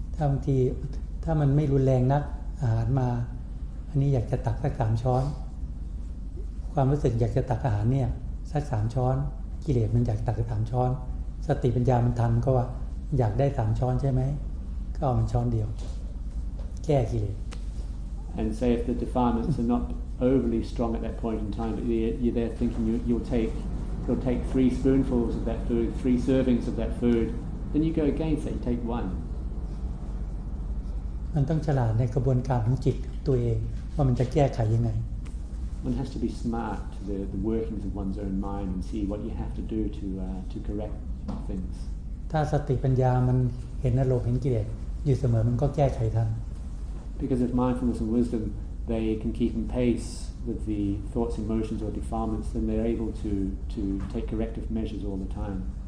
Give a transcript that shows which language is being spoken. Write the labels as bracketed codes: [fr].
[th] บางทีถ้ามันไม่รุนแรงนักอาหารมาอันนี้อยากจะตักสักสามช้อนความรู้สึกอยากจะตักอาหารเนี่ยสักสามช้อนกิเลสมันอยากตักสักสามช้อนสติปัญญามันทันก็ว่าอยากได้สามช้อนใช่ไหมก็เอามันช้อนเดียวแก้กิเลส [en] And say if the defilements are not overly strong at that point in time, but you're there thinking you'll take. You'll take three spoonfuls of that food, three servings of that food. Then you go against that. You take one. [th] มันต้องฉลาดในกระบวนการของจิตตัวเองว่ามันจะแก้ไขยังไง [en] One has to be smart to the workings of one's own mind and see what you have to do to correct things. [th] ถ้าสติปัญญามันเห็นอารมณ์เห็นกิเลสอยู่เสมอมันก็แก้ไขทัน [en] Because if mindfulness and wisdom they can keep in pace. With the thoughts, emotions, or defilements, then they're able to take corrective measures all the time.